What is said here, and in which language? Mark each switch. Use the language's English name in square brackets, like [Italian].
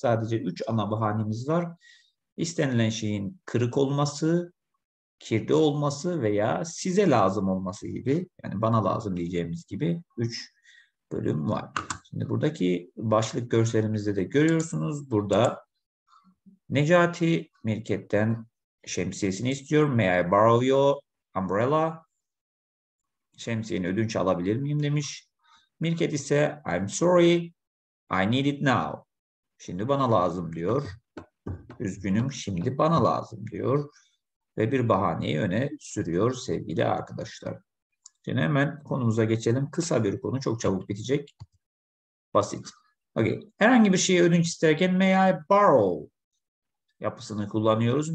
[Turkish] Sadece üç ana bahanemiz var. İstenilen şeyin kırık olması, kirli olması veya size lazım olması gibi, yani bana lazım diyeceğimiz gibi üç bölüm var. Şimdi buradaki başlık görselimizde de görüyorsunuz. Burada Necati Mirket'ten şemsiyesini istiyor. [English] May I borrow your umbrella? [Turkish] Şemsiyeni ödünç alabilir miyim demiş. [English] Mirket ise I'm sorry, I need it now. [Turkish] Şimdi bana lazım diyor. Üzgünüm, şimdi bana lazım diyor. Ve bir bahaneyi öne sürüyor sevgili arkadaşlar. Şimdi hemen konumuza geçelim. Kısa bir konu, çok çabuk bitecek. Basit. Okay. Herhangi bir şeyi ödünç isterken may I borrow yapısını kullanıyoruz.